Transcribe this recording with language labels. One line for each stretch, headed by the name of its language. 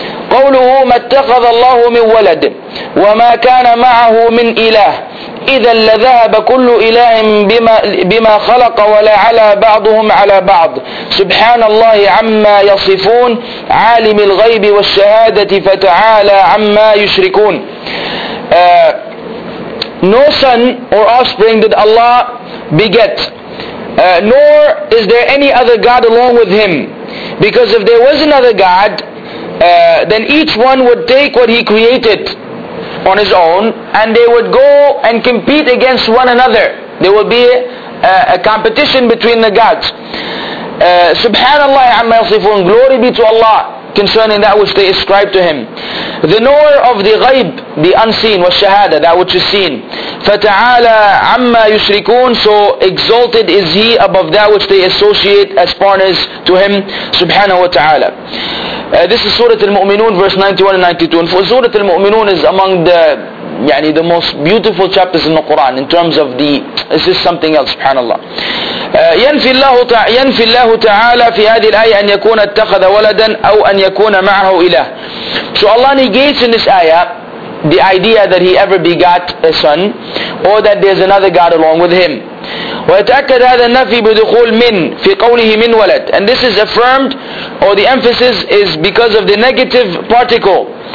Arabic: قوله ما اتخذ الله من ولد وما كان معه من إله إذا لذهب كل إله بما خلق ولا على بعضهم على بعض سبحان الله عما يصفون عالم الغيب والشهادة فتعالى عما يشركون.
English: No son or offspring did Allah beget, nor is there any other God along with him, because if there was another God, then each one would take what he created on his own, and they would go and compete against one another. There would be a competition between the gods.
Arabic: Subhanallah amma yasifun,
English: glory be to Allah concerning that which they ascribe to him. The knower of the ghaib, the unseen, was shahada, that which is seen.
Arabic: Fata'ala amma yushrikun,
English: so exalted is he above that which they associate as partners to him, subhanahu wa ta'ala. This is Surah Al-Mu'minun, verse 91 and 92. And Surah Al-Mu'minun is among the most beautiful chapters in the Quran in terms of the, this is something else, subhanallah.
Arabic: ينفي الله تعالى في هذه الآية أن يكون اتخذ ولدا أو أن يكون معه إله.
English: So Allah negates in this ayah the idea that he ever begot a son, or that there's another God along with him.
Arabic: ويتأكد هذا النفي بدخول من في قوله من ولد.
English: And this is affirmed, or the emphasis is because of the negative particle.